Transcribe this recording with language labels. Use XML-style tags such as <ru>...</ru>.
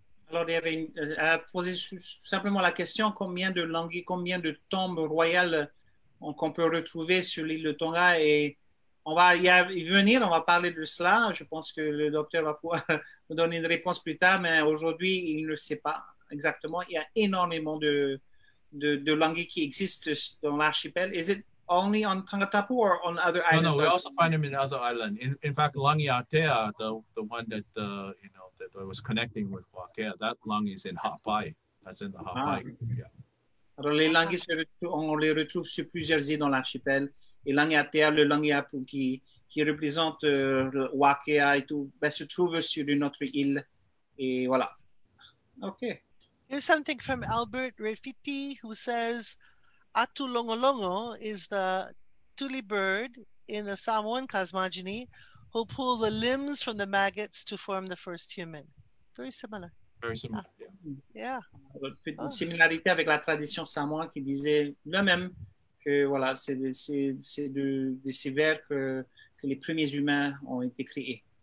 <fr>Alors, il y avait posé simplement la question, combien de langi, combien de tombes royales qu'on peut retrouver sur l'île de Tonga et on va y venir, on va parler de cela. Je pense que le docteur va pouvoir nous donner une réponse plus tard, mais aujourd'hui, il ne sait pas exactement. Il y a énormément de langues qui existent dans l'archipel.</fr> <en>Is it only on Tangatapu or on other islands? No, we also find them in other islands. In fact, Langiatea, the one that that I was connecting with Wakea, that lung is in Hapai. That's in the Hapai. Yeah.</en> <fr>Alors, les langues, on les retrouve sur plusieurs îles dans l'archipel. Et Langiatea, le Langiapu qui représente le Wakea et tout, se trouve sur une autre île. Et voilà. OK.</fr> <en>Here's something from Albert Refiti, who says, Atu Longolongo is the tule bird in the Samoan cosmogony who pull the limbs from the maggots to form the first human. Very similar. Very similar, yeah. Yeah.</en> <fr>Une similarité avec la tradition Samoan qui disait le même. que voilà, c'est de ces vers que les premiers humains ont été créés.</fr>